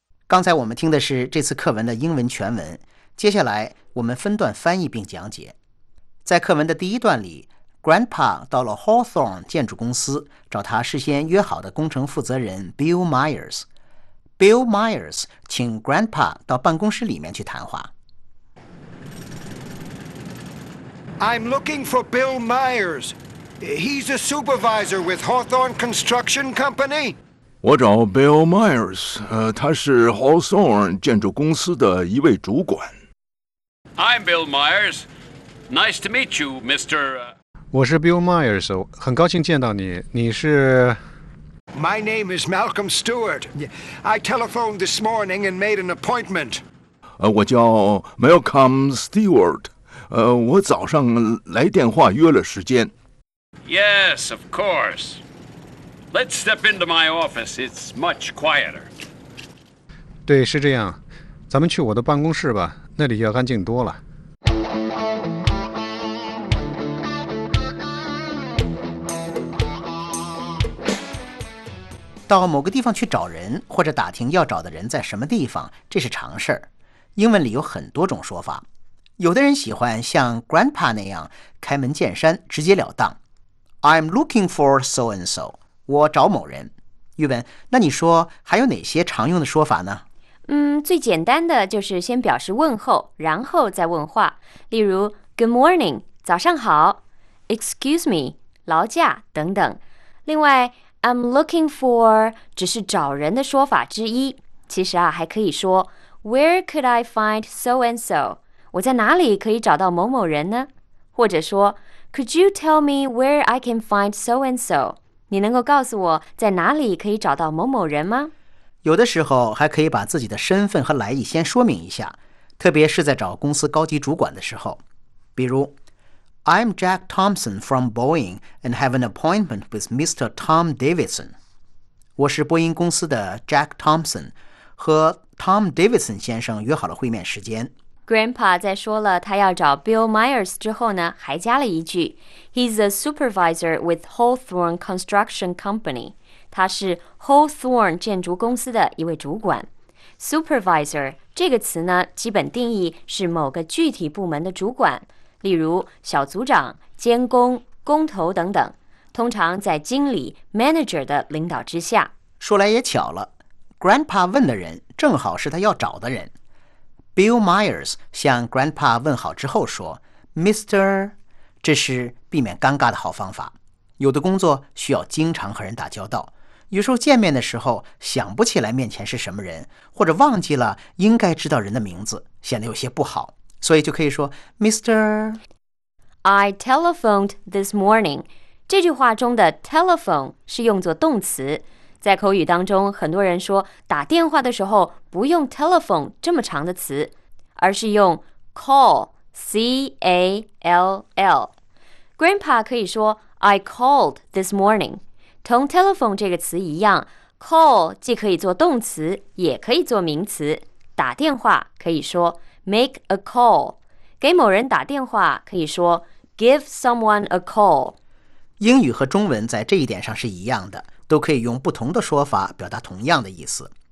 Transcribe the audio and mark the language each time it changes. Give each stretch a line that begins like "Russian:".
Chinese: 刚才我们听的是这次课文的英文全文，接下来我们分段翻译并讲解。在课文的第一段里， Grandpa 到了 Hawthorne 建筑公司找他事先约好的工程负责人 Bill Myers。 Bill Myers 请 Grandpa 到办公室里面去谈话。
English: I'm looking for Bill Myers. He's a supervisor with Hawthorne Construction Company.
Chinese: 我找 Bill Myers, 他是 Hawthorne 建筑公司的一位主管。
English: I'm Bill Myers. Nice to meet you, Mr.
Chinese: 我是 Bill Myers, 很高兴见到你。你是
English: My name is Malcolm Stewart. I telephoned this morning and made an appointment.
Chinese: 我叫 Malcolm Stewart. 我早上来电话约了时间。
English: Yes, of course. Let's step into my office. It's much quieter.
Chinese: 对，是这样。咱们去我的办公室吧，那里要安静多了。到某个地方去找人，或者打听要找的人在什么地方，这是常事儿。英文里有很多种说法。有的人喜欢像 Grandpa 那样开门见山，直截了当。
English: I'm looking for so-and-so.
Chinese: 我找某人。玉文，那你说还有哪些常用的说法呢？最简单的就是先表示问候，然后再问话。例如
English: Good morning,
Chinese: 早上好，
English: Excuse me,
Chinese: 劳驾等等。另外 I'm looking for 只是找人的说法之一。其实啊，还可以说
English: Where could I find so and so?
Chinese: 我在哪里可以找到某某人呢？或者说
English: Could you tell me where I can find so and so?
Chinese: 你能够告诉我在哪里可以找到某某人吗？有的时候还可以把自己的身份和来意先说明一下，特别是在找公司高级主管的时候。
English: 比如 I'm Jack Thompson from Boeing and have an appointment with Mr. Tom Davidson.
Chinese: 我是波音公司的 Jack Thompson, 和 Tom Davidson 先生约好了会面时间。 Grandpa 在说了他要找 Bill Myers 之后呢，还加了一句
English: He's a supervisor with Hawthorne Construction Company.
Chinese: 他是 Hawthorne 建筑公司的一位主管。 Supervisor 这个词呢，基本定义是某个具体部门的主管，例如小组长、监工、工头等等，通常在经理 manager 的领导之下。说来也巧了， Grandpa 问的人正好是他要找的人。 Bill Myers 向 Grandpa 问好之后说 Mr. 这是避免尴尬的好方法。有的工作需要经常和人打交道，有时候见面的时候想不起来面前是什么人，或者忘记了应该知道人的名字，显得有些不好，所以就可以说 Mr.
English: I telephoned this morning.
Chinese: 这句话中的 telephone 是用作动词，在口语当中，很多人说打电话的时候不用 telephone 这么长的词，而是用 call, C-A-L-L. Grandpa 可以说
English: I called this morning.
Chinese: 同 telephone 这个词一样， call 既可以做动词，也可以做名词。打电话可以说
English: make a call.
Chinese: 给某人打电话可以说
English: give someone a call.
Chinese: 英语和中文在这一点上是一样的。都可以用不同的说法表达同样的意思。